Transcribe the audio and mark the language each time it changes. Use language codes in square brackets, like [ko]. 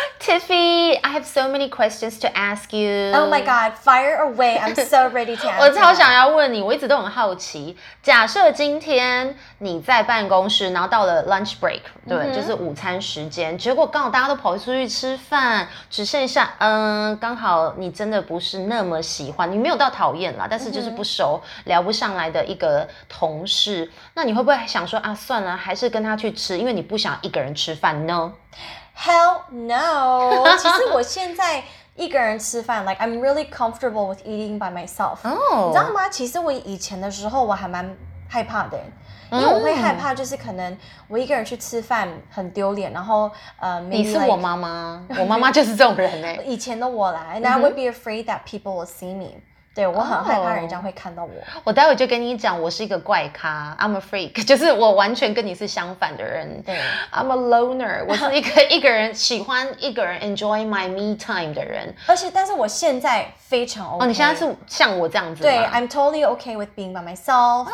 [en] Tiffy, I have so many questions to ask you. Oh my god, fire away! I'm so ready to answer. [zh] 我超想要问你，我一直都很好奇。假设今天你在办公室，然后到了 lunch break， 对， mm-hmm. 就是午餐时间，结果刚好大家都跑出去吃饭，只剩下刚好你真的不是那么喜欢，你没有到讨厌啦，但是就是不熟、mm-hmm. 聊不上来的一个同事。那你会不会想说啊，算了，还是跟他去吃，因为你不想一个人吃饭呢 [en] ？Hell no！ [zh] 其实我现在一个人吃饭 ， [en] like I'm really comfortable with eating by myself。 [zh] 哦，你知道吗？其实我以前的时候我还蛮害怕的，因为我会害怕，就是可能我一个人去吃饭很丢脸，然后你是我妈妈，我妈妈就是这种人呢、 [en] 欸。 [zh] 以前的我啦 [en] ，and I would be afraid that people will see me。 [zh] 对，我很害怕人家会看到我。我待会就跟你讲，我是一个怪咖 ， [en] I'm a freak， [zh] 就是我完全跟你是相反的人。对， [en] I'm a loner， [zh] 我是一个一个人喜欢一个人 [en] enjoy my me time [zh] 的人。而且，但是我现在非常 OK。哦，你现在是像我这样子吗？对 [en] ，I'm totally okay with being by myself。